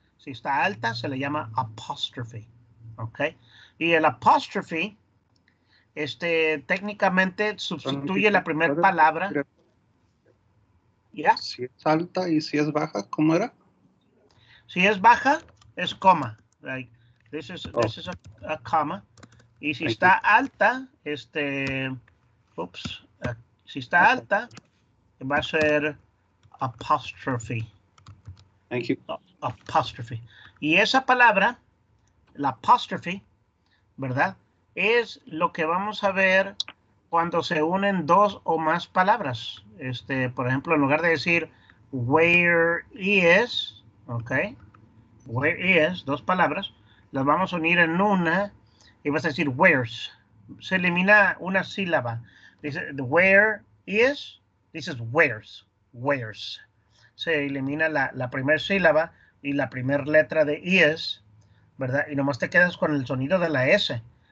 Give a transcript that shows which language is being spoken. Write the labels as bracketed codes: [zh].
[es] Si está alta, se le llama apóstrofe, ¿ok? Y el apóstrofe, este, técnicamente sustituye la primera palabra. [en] ¿Yeah? [es] Si es alta y si es baja, ¿cómo era? Si es baja, es coma. [en] Like this is, oh, this is a comma. [es] Y si está alta, este, oops, si está alta, va a ser apostrophe. [en] Thank you. Apostrophe. [es] Y esa palabra, la apostrophe, ¿verdad? Es lo que vamos a ver cuando se unen dos o más palabras. Este, por ejemplo, en lugar de decir where is, okay. Where is, dos palabras, las vamos a unir en una y vas a decir where's. Se elimina una sílaba. Dice where is, dices where's. Se elimina la primera sílaba y la primera letra de is, ¿verdad? Y nomás te quedas con el sonido de la S.